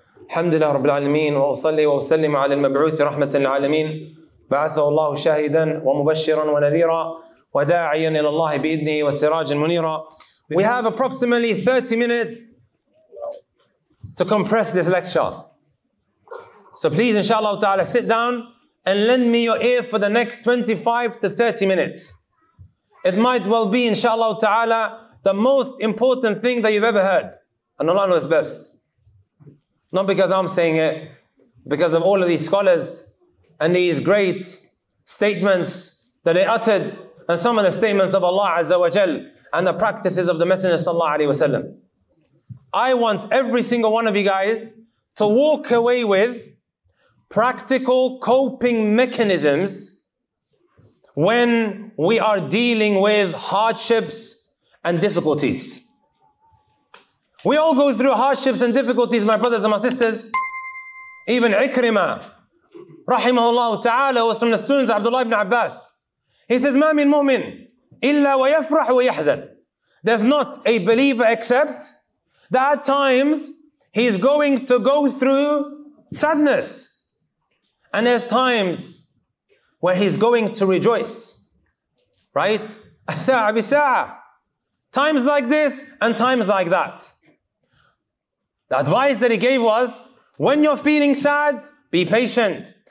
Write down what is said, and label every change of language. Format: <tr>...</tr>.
<ar>الحمد لله رب العالمين وأصلي وأسلم على المبعوث رحمة العالمين بعثه الله شاهدا ومبشرا ونذيرا وداعيا إلى الله بإذنه وسراجا منيرا.</ar> <en>We have approximately 30 minutes to compress this lecture. So please, inshallah ta'ala, sit down and lend me your ear for the next 25 to 30 minutes. It might well be, inshallah ta'ala, the most important thing that you've ever heard. And Allah knows best. Not because I'm saying it, because of all of these scholars and these great statements that they uttered and some of the statements of Allah Azza wa Jal and the practices of the Messenger sallallahu alayhi wa sallam. I want every single one of you guys to walk away with practical coping mechanisms when we are dealing with hardships and difficulties. We all go through hardships and difficulties, my brothers and my sisters. Even Ikrimah,</en> <ar>رحمه الله تعالى وسلم السنز عبد الله بن عباس.</ar> <en>He says</en> <ar>ما من مؤمن إلا ويفرح ويحزن.</ar> <en>There's not a believer except that at times he is going to go through sadness. And there's times where he's going to rejoice. Right?</en> <ar>الساعة بساعة.</ar> <en>Times like this and times like that. The advice that he gave was, when you're feeling sad, be patient.</en>